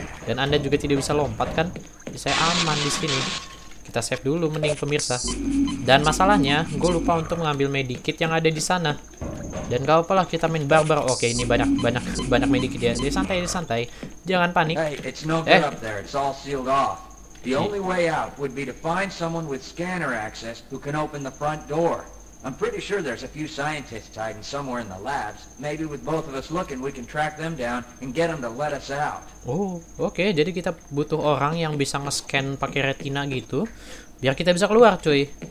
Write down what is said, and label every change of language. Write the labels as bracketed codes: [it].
[id] Dan Anda juga tidak bisa lompat kan? Saya aman di sini. Kita save dulu mending pemirsa. Dan masalahnya, gue lupa untuk mengambil medikit yang ada di sana. Dan gak apalah kita main barbar. Oke, ini banyak medikit ya. Jadi santai. Jangan panik. [en] Hey, it's no good up there. It's all sealed off. The only way out would be to find someone with scanner access who can open the front door. I'm pretty sure there's a few scientists hiding somewhere in the labs. Maybe with both of us looking, we can track them down and get them to let us out. Oh, oke. Okay. [id] Jadi kita butuh orang yang bisa nge-scan pakai retina gitu, biar kita bisa keluar, cuy.